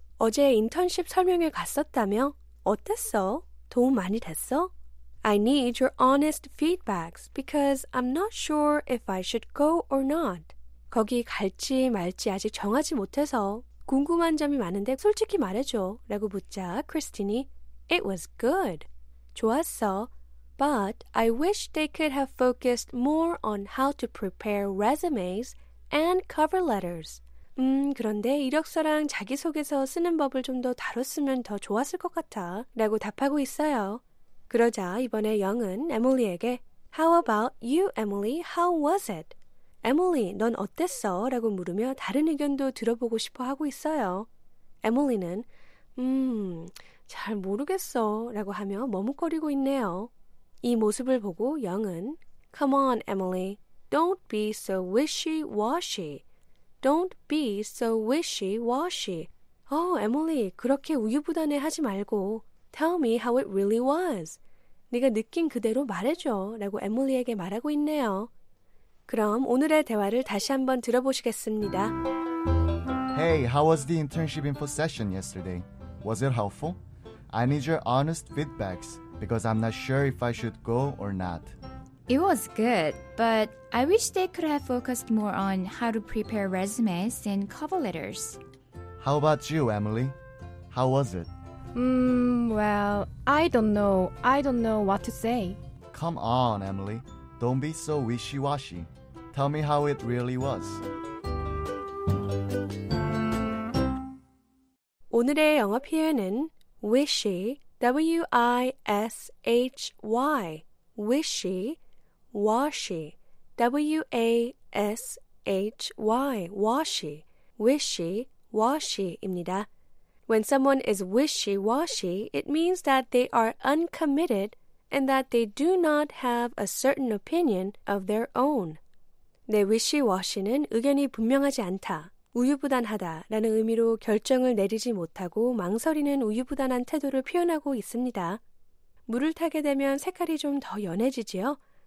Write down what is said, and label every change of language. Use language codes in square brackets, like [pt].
[ko] 어제 인턴십 설명회 갔었다며? 어땠어? 도움 많이 됐어? [en] I need your honest feedbacks because I'm not sure if I should go or not. [ko] 거기 갈지 말지 아직 정하지 못해서 궁금한 점이 많은데 솔직히 말해줘 라고 묻자 크리스틴이 [en] It was good. [ko] 좋았어. [en] But I wish they could have focused more on how to prepare resumes and cover letters. [ko] 그런데 이력서랑 자기소개서 쓰는 법을 좀 더 다뤘으면 더 좋았을 것 같아 라고 답하고 있어요. 그러자 이번에 영은 에밀리에게 [en] How about you, Emily? How was it? [ko] 에밀리, 넌 어땠어? 라고 물으며 다른 의견도 들어보고 싶어 하고 있어요. 에밀리는 잘 모르겠어 라고 하며 머뭇거리고 있네요. 이 모습을 보고 영은 [en] Come on, Emily. Don't be so wishy-washy. Don't be so wishy-washy. Oh, Emily, [ko] 그렇게 우유부단해하지 말고 [en] Tell me how it really was. [ko] 네가 느낀 그대로 말해줘 라고 에밀리에게 말하고 있네요. 그럼 오늘의 대화를 다시 한번 들어보시겠습니다. [en] Hey, how was the internship info session yesterday? Was it helpful? I need your honest feedbacks because I'm not sure if I should go or not. It was good, but I wish they could have focused more on how to prepare resumes and cover letters. How about you, Emily? How was it? Well, I don't know. I don't know what to say. Come on, Emily. Don't be so wishy-washy. Tell me how it really was. [ko] 오늘의 영어 표현은 wishy, W-I-S-H-Y, wishy, washy, W-A-S-H-Y, washy, wishy, washy입니다. [en] When someone is wishy-washy, it means that they are uncommitted and that they do not have a certain opinion of their own. [ko] 네, wishy-washy는 의견이 분명하지 않다, 우유부단하다라는 의미로 결정을 내리지 못하고 망설이는 우유부단한 태도를 표현하고 있습니다. 물을 타게 되면 색깔이 좀 더 연해지지요?